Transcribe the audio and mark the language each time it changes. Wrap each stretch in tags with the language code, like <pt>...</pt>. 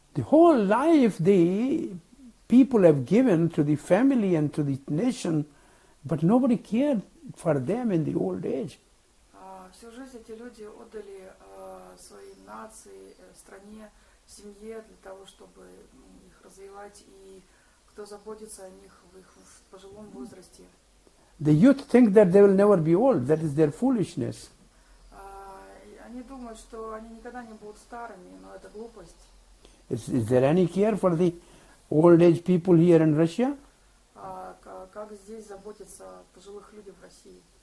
<en>The whole life the people have given to the family and to the nation, but nobody cared for them in the old age.</en> <ru>Всю жизнь эти люди отдали своей нации, стране, семье для того, чтобы их развивать и кто заботится о них в их пожилом возрасте.</ru> <en>The youth think that they will never be old. That is their foolishness.</en> <ru>Они думают, что они никогда не будут старыми, но это глупость.</ru> <en>Is there any care for the old age people here in Russia?</en> <ru>Как здесь заботиться о пожилых людях в России?</ru>